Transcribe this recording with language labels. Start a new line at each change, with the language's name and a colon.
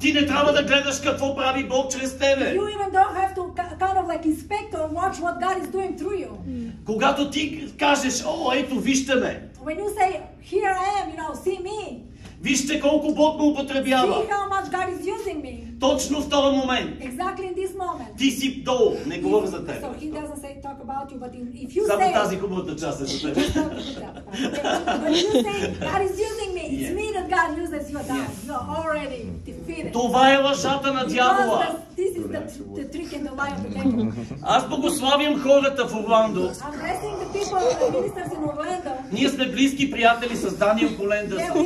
Bulgarian: Ти не трябва да гледаш какво прави Бог чрез тебе.
English: You even don't have to kind of like inspect or watch what God is doing through you.
Bulgarian: Когато ти кажеш, о, ето, вижте ме.
English: When you say, here I am, you know, see me.
Bulgarian: Вижте колко Бог ме употребява.
English: See how much God is using me.
Bulgarian: Точно в този момент.
English: Exactly in this moment.
Bulgarian: Ти си долу, не говоря за теб.
English: So he doesn't say talk about you, but if you
Bulgarian: само
English: say.
Bulgarian: Само тази хубавата част е за теб.
English: When you say God is using me, it's me that God uses, you are down. Yes. So already defeated.
Bulgarian: Това е лъжата на дявола.
English: This is the trick and the lie of the devil.
Bulgarian: Аз благославям хората в Орландо.
English: I'm blessing the people, the ministers in Orlando.
Bulgarian: Ние сме близки приятели с Даниел Коленда.